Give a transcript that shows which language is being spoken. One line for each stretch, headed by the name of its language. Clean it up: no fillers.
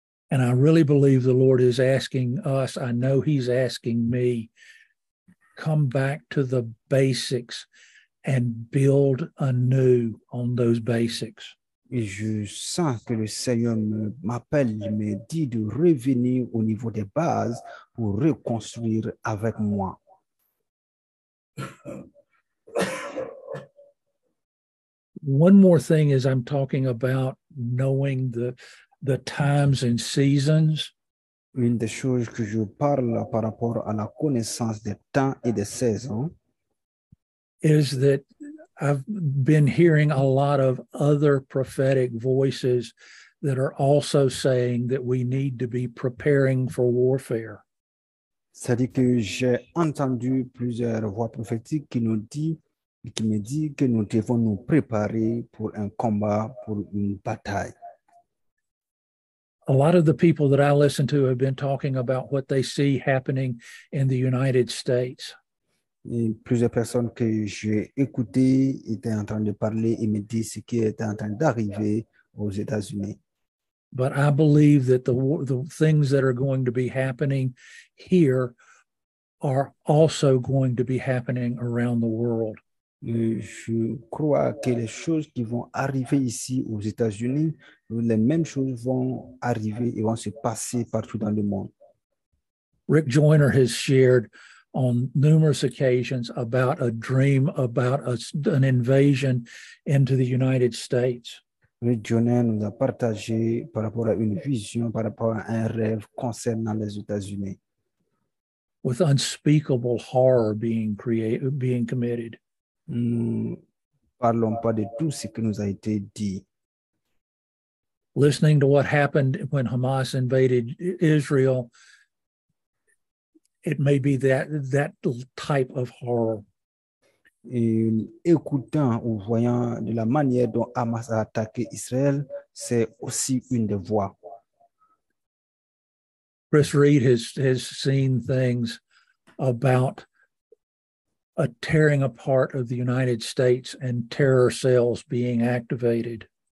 English: And I really believe the Lord is asking us, I know he's asking me, come back to the basics and build anew on those basics.
French: Et je sens que le Seigneur m'appelle, il me dit de revenir au niveau des bases pour reconstruire avec moi.
English: One more thing is I'm talking about knowing the times and seasons.
French: Une des choses que je parle par rapport à la connaissance des temps et des saisons
English: is that I've been hearing a lot of other prophetic voices that are also saying that we need to be preparing for warfare.
French: C'est-à-dire que j'ai entendu plusieurs voix prophétiques qui nous disent, qui me disent que nous devons nous préparer pour un combat, pour une bataille.
English: A lot of the people that I listen to have been talking about what they see happening in the United States.
French: Et plusieurs personnes que j'ai écoutées étaient en train de parler et me disent ce qui est en train d'arriver aux États-Unis.
English: But I believe that the things that are going to be happening here are also going to be happening around the world.
French: Je crois que les choses qui vont arriver ici aux États-Unis, les mêmes choses vont arriver et vont se passer partout dans le monde.
English: Rick Joyner has shared on numerous occasions about a dream about an invasion into the United States.
French: Rick Joyner nous a partagé par rapport à une vision, par rapport à un rêve concernant les États-Unis.
English: With unspeakable horror being created, being committed.
French: Nous parlons pas de tout ce qui nous a été dit.
English: Listening to what happened when Hamas invaded Israel, it may be that type of horror.
French: Et écoutant ou voyant de la manière dont Hamas a attaqué Israël, c'est aussi une des voies.
English: Chris Reed has seen things about a tearing apart of the United States and terror cells being activated.